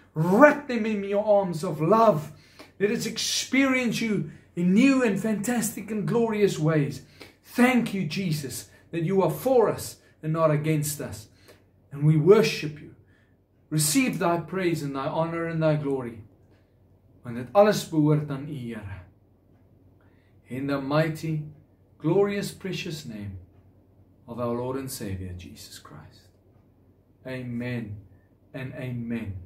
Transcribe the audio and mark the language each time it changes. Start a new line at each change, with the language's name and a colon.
English: Wrap them in Your arms of love. Let us experience You in new and fantastic and glorious ways. Thank You, Jesus, that You are for us and not against us. And we worship You. Receive Thy praise and Thy honor and Thy glory.
Afrikaans: Want dit alles behoort aan U, Here.
English: In the mighty, glorious, precious name of our Lord and Savior, Jesus Christ. Amen and amen.